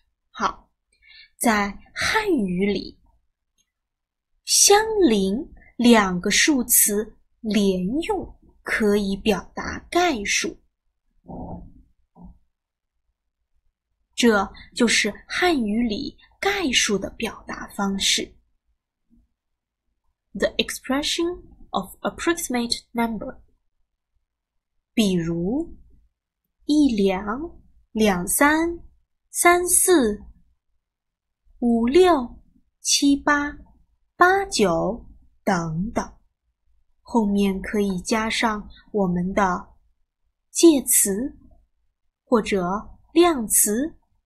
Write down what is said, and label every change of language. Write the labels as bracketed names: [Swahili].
[Chinese] 好，在汉语里，相邻两个数词连用可以表达概述，这就是汉语里概述的表达方式。 [English] The expression of approximate number. [Chinese] 比如，一两，两三，三四，五六，七八，八九，等等。后面可以加上我们的介词或者量词。